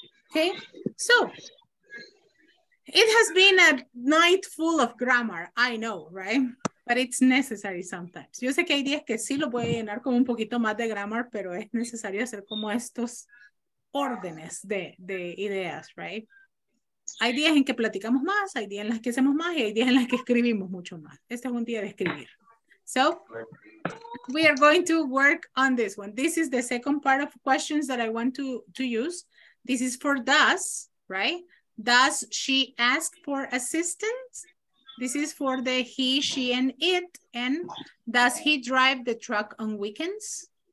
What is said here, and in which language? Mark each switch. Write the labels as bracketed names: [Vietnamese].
[English] Okay, so it has been a night full of grammar, I know, right? But it's necessary sometimes. [Spanish] Yo sé que hay días que sí lo voy a llenar con un poquito más de grammar, pero es necesario hacer como estos órdenes de ideas, right? Hay días en que platicamos más, hay días en las que hacemos más, y hay días en las que escribimos mucho más. Este es un día de escribir. [English] So, we are going to work on this one. This is the second part of questions that I want to use. This is for does, right? Does she ask for assistance? This is for the he, she, and it. And does he drive the truck on weekends?